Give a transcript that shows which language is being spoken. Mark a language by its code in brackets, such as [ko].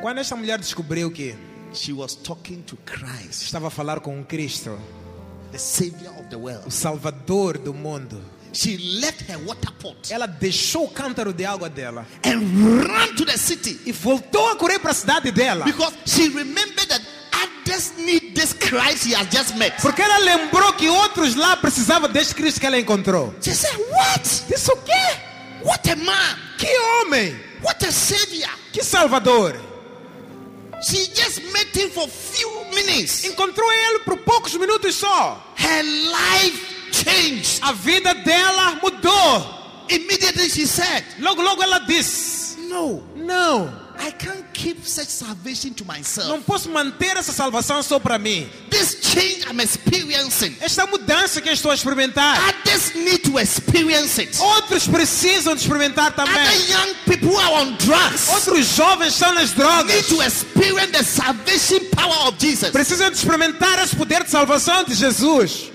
[pt] Quando essa mulher descobriu que. [en] She was talking to Christ. [pt] Estava a falar com Cristo. [en] The savior of the world. [pt] O salvador do mundo. [en] She left her water pot. [pt] Ela deixou o cântaro de água dela. [en] And ran to the city. [pt] E voltou a correr para a cidade dela. [en] Because she remembered that others need this Christ he has just met. [pt] Porque ela lembrou que outros lá precisavam deste Cristo que ela encontrou. [en] She said, "What? [pt] Isso o quê? [en] What a man! [pt] Que homem! [en] What a savior! [pt] Que salvador!" [en] She just met him for few minutes. [pt] Encontrou ele por poucos minutos só. [en] Her life changed. [pt] A vida dela mudou. [en] Immediately she said. [pt] Logo, logo ela disse. [en] No. [pt] No. [en] I can't keep such salvation to myself. [pt] Não posso manter essa salvação só para mim. [en] This change I'm experiencing. [pt] Esta mudança que estou a experimentar. [en] Others need to experience it. [pt] Outros precisam experimentar também. [en] Other young people are on drugs. [pt] Outros jovens estão nas drogas. [en] Need to experience the salvation power of Jesus. [pt] Precisam experimentar esse poder de salvação de Jesus.